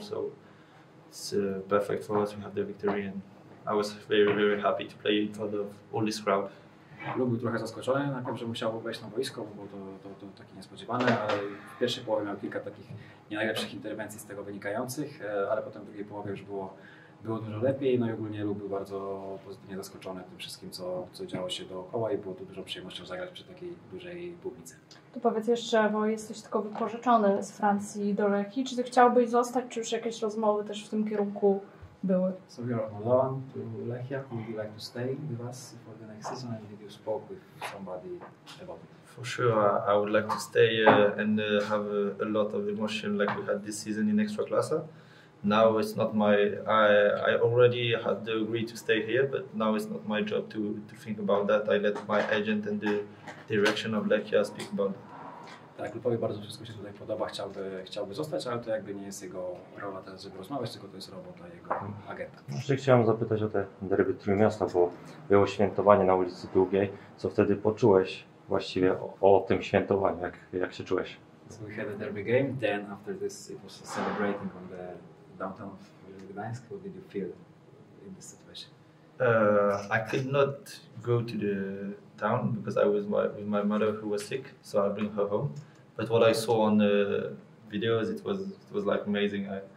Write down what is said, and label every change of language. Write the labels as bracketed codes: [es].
[en] So it's perfect for us. We have the victory. And I was very, very happy to play in front of all this crowd. [pl] Lub był trochę zaskoczony najpierw, że musiał wejść na boisko, bo było to takie niespodziewane, ale w pierwszej połowie miał kilka takich nie najlepszych interwencji z tego wynikających, ale potem w drugiej połowie już było dużo lepiej. No i ogólnie Lub był bardzo pozytywnie zaskoczony tym wszystkim, co działo się dookoła i było to dużą przyjemnością zagrać przy takiej dużej publicy. To powiedz jeszcze, bo jesteś tylko wypożyczony z Francji do Lechii. Czy ty chciałbyś zostać, czy już jakieś rozmowy też w tym kierunku? [en] So you're on loan to Lechia. Would you like to stay with us for the next season? And did you spoke with somebody about it? For sure, I would like to stay and have a lot of emotion like we had this season in extra classe. Now it's not my. I already had agreed to stay here, but now it's not my job to think about that. I let my agent and the direction of Lechia speak about it. [pl] Tak, klubowi bardzo wszystko się tutaj podoba, chciałby zostać, ale to jakby nie jest jego rola teraz, żeby rozmawiać, tylko to jest robota jego agenta. Jeszcze chciałem zapytać o te derby Trójmiasta, bo było świętowanie na ulicy Długiej. Co wtedy poczułeś właściwie o tym świętowaniu? Jak się czułeś? [en] So we had a derby game, then after this it was celebrating on the downtown of Gdańsk. What did you feel in this situation? I could not go to the town because I was with my mother who was sick, so I bring her home. But what I saw on the videos, it was like amazing.